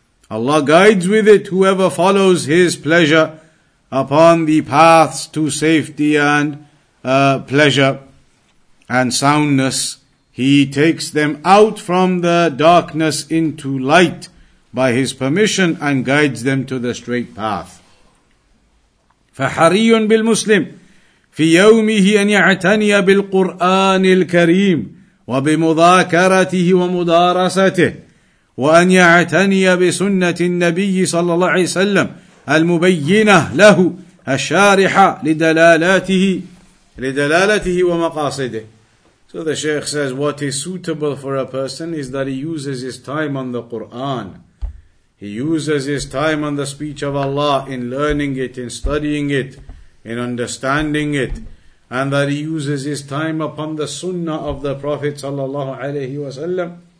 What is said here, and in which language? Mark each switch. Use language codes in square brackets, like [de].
[en] Allah guides with it whoever follows His pleasure upon the paths to safety and pleasure and soundness. He takes them out from the darkness into light by His permission and guides them to the straight path. [ar] فَحَرِيٌّ بِالْمُسْلِمِ فِي يَوْمِهِ أَنْ يَعْتَنِيَ بِالْقُرْآنِ الْكَرِيمِ وبمذاكرته ومدارسته وأن يعتني بسنة النبي صلى الله عليه وسلم المبينة له الشارحة لدلالته ومقاصده. [en] So the Shaykh says, what is suitable for a person is that he uses his time on the Quran. He uses his time on the speech of Allah in learning it, in studying it, in understanding it. And that he uses his time upon the sunnah of the Prophet [ar] sallallahu alayhi wa sallam.